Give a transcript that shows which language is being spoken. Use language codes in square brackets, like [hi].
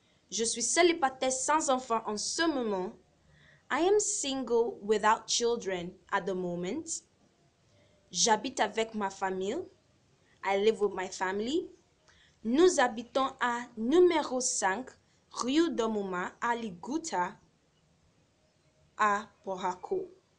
[fr] Je suis célibataire sans enfant en ce moment. [en] I am single without children at the moment. [fr] J'habite avec ma famille. [en] I live with my family. [fr] Nous habitons à numéro 5, rue de Mouma, à Liguta, à Porako.